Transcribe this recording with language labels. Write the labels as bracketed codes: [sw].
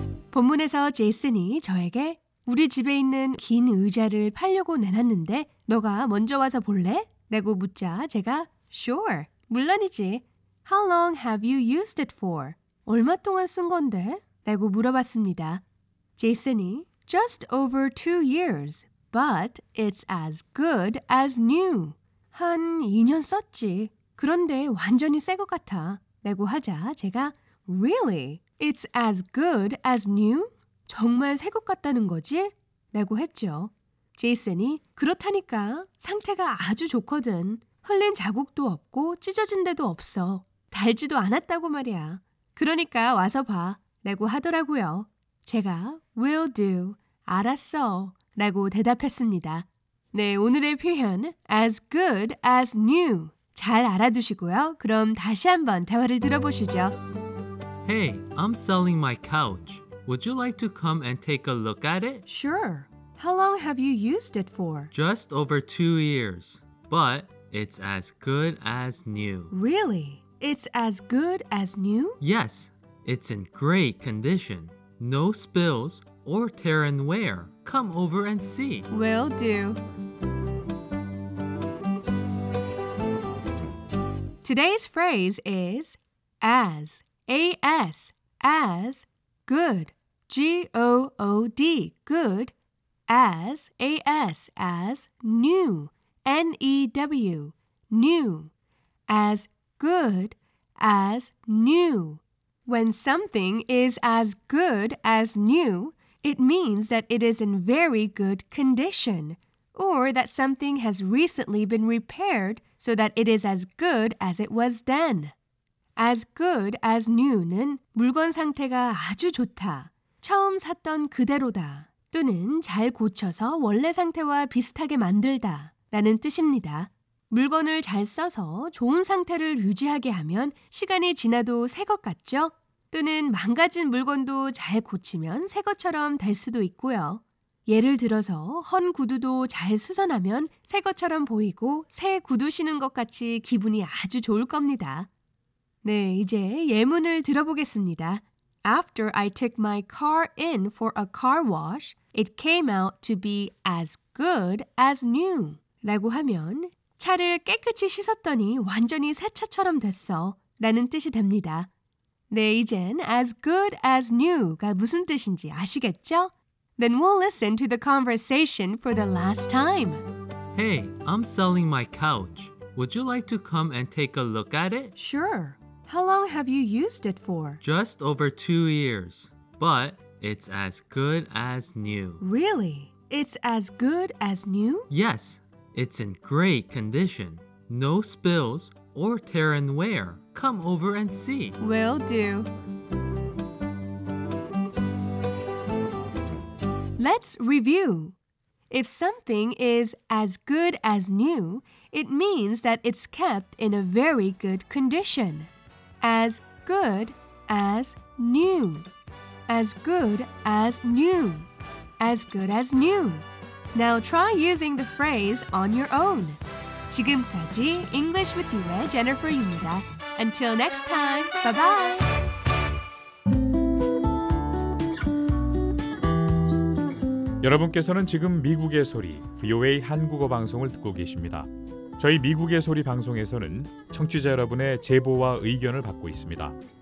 [ko] 본문에서 제이슨이 저에게 우리 집에 있는 긴 의자를 팔려고 내놨는데 너가 먼저 와서 볼래? 라고 묻자 제가 [en] Sure, [ko] 물론이지. [en] How long have you used it for? [ko] 얼마 동안 쓴 건데? 라고 물어봤습니다. 제이슨이 [en] Just over 2 years, but it's as good as new. [ko] 한 2년 썼지. 그런데 완전히 새 것 같아. 라고 하자 제가 [en] Really? It's as good as new? [ko] 정말 새 것 같다는 거지? 라고 했죠. 제이슨이 그렇다니까 상태가 아주 좋거든. 흘린 자국도 없고 찢어진 데도 없어. 달지도 않았다고 말이야. 그러니까 와서 봐. 라고 하더라고요. 제가 [en] will do, [ko] 알았어 라고 대답했습니다. 네, 오늘의 표현 [en] as good as new [ko] 잘 알아두시고요. 그럼 다시 한번 대화를 들어보시죠. [en] Hey, I'm selling my couch. Would you like to come and take a look at it? Sure. How long have you used it for? Just over 2 years. But it's as good as new. Really? It's as good as new? Yes. It's in great condition. No spills or tear and wear. Come over and see. Will do. Today's phrase is as, A-S, as, good, G-O-O-D, good, as, A-S, as, new, N-E-W, new, as good as new. When something is as good as new, it means that it is in very good condition, or that something has recently been repaired so that it is as good as it was then. As good as new [ko] 는 물건 상태가 아주 좋다, 처음 샀던 그대로다, 또는 잘 고쳐서 원래 상태와 비슷하게 만들다 라는 뜻입니다. 물건을 잘 써서 좋은 상태를 유지하게 하면 시간이 지나도 새 것 같죠? 또는 망가진 물건도 잘 고치면 새 것처럼 될 수도 있고요. 예를 들어서 헌 구두도 잘 수선하면 새 것처럼 보이고 새 구두 신은 것 같이 기분이 아주 좋을 겁니다. 네, 이제 예문을 들어보겠습니다. [en] After I took my car in for a car wash, it came out to be as good as new. [ko] 라고 하면 차를 깨끗이 씻었더니 완전히 새 차처럼 됐어 라는 뜻이 됩니다. 네, 이젠 [en] as good as new [ko] 가 무슨 뜻인지 아시겠죠? [en] Then we'll listen to the conversation for the last time. Hey, I'm selling my couch. Would you like to come and take a look at it? Sure. How long have you used it for? Just over 2 years. But it's as good as new. Really? It's as good as new? Yes. It's in great condition. No spills or tear and wear. Come over and see. Will do. Let's review. If something is as good as new, it means that it's kept in a very good condition. As good as new. As good as new. As good as new. Now try using the phrase on your own. [ko] 지금까지 English with You의 Jennifer입니다. [en] Until next time, bye-bye! [ko] (목소리) 여러분께서는 지금 미국의 소리, VOA 한국어 방송을 듣고 계십니다. 저희 미국의 소리 방송에서는 청취자 여러분의 제보와 의견을 받고 있습니다.